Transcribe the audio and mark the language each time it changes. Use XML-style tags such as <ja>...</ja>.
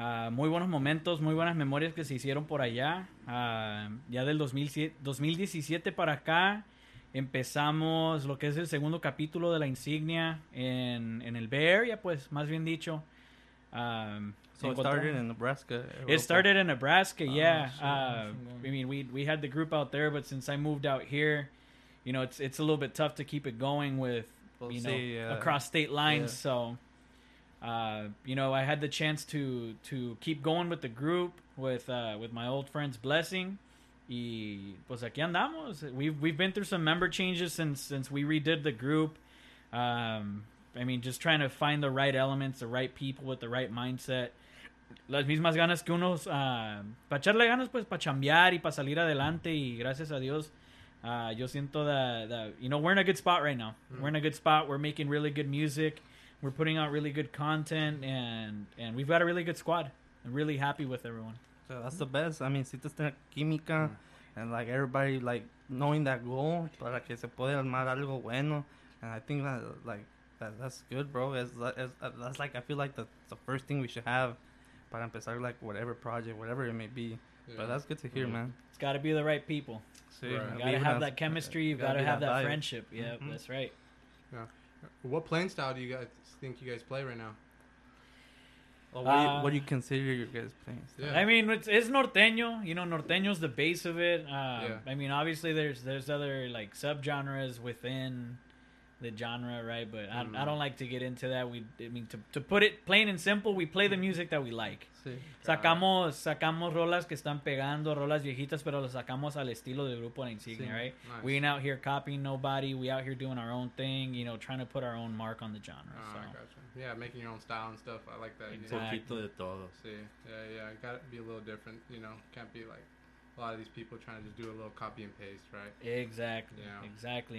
<es>Muy buenos momentos, muy buenas memorias que se hicieron por allá. Ya del 2017 para acá... Empezamos lo que es el segundo capítulo de La Insignia en el Bay Area, pues, más bien dicho.</es> <en>So it started in Nebraska. It started in Nebraska, yeah. Sure. I mean, we had the group out there, but since I moved out here, you know, it's a little bit tough to keep it going with, across state lines. Yeah. So, you know, I had the chance to keep going with the group with my old friend's blessing.</en> <es>Y pues aquí andamos.</es> <en>We've been through some member changes since we redid the group. Just trying to find the right elements, the right people with the right mindset.</en> <es>Las mismas ganas que unos, para echarle ganas, pues, para chambear y para salir adelante. Y gracias a Dios, yo siento</es> <en>that, you know, we're in a good spot right now. Mm-hmm. We're in a good spot. We're making really good music. we're putting out really good content, and we've got a really good squad. I'm really happy with everyone. So that's the best. I mean,</en> <es>si te tiene química,</es> <en>and like everybody like knowing that goal</en> <es>para que se puede armar algo bueno,</es> <en>and I think that like that's good, bro. That's like I feel like the first thing we should have</en> <es>para empezar</es> <en>like whatever project, whatever it may be. Yeah. But that's good to hear, man. It's got to be the right people. Sí. Right. You got to have that chemistry. You've got to have that friendship. Yeah, mm-hmm. That's right. Yeah. What playing style do you guys think you guys play right now? What do you consider your guys playing style? Yeah. I mean, it's norteño. You know, norteño is the base of it. Yeah. I mean, obviously, there's other, like, subgenres within the genre, right? But I don't like to get into that. To put it plain and simple, we play the music that we like.</en> <es>Sí, sacamos rolas que están pegando, rolas viejitas, pero las sacamos al estilo del grupo La Insignia, sí.</es> <en>Right? Nice. We ain't out here copying nobody. We out here doing our own thing, you know, trying to put our own mark on the genre. Oh, so. I gotcha. Yeah, making your own style and stuff. I like that. Exactly.</en> <es>Poquito de todo. Sí.</es> <en>Yeah, got to be a little different, you know. Can't be like a lot of these people trying to just do a little copy and paste, right? Exactly. Yeah. Exactly.</en>